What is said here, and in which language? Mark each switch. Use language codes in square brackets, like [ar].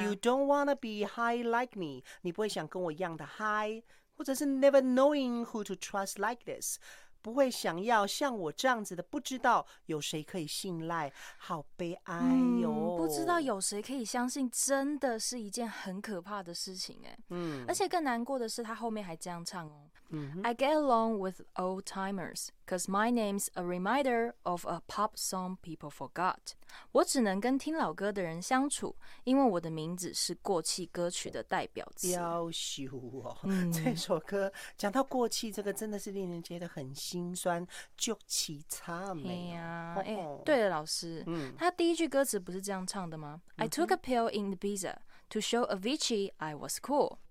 [en] You don't wanna be high like me, [zh] 你不会想跟我一样的 high, 或者是 [en] Never knowing who to trust like this, [zh] 不会想要像我这样子的，不知道有谁可以信赖，好悲哀哟、不知道有谁可以相信，真的是一件很可怕的事情、欸嗯、而且更难过的是，他后面还这样唱哦、嗯、 [en] ：“I get along with old timers, cause my name's a reminder of a pop song people forgot。 [zh] 我只能跟听老歌的人相处，因为我的名字是过气歌曲的代表词。” 要羞哦、嗯！这首歌讲到过气，这个真的是令人觉得很。心酸就其差没有、啊欸、对了老师、嗯、他第一句歌词不是这样唱的吗、嗯、 [en] I took a pill in Ibiza to show Avicii I was cool。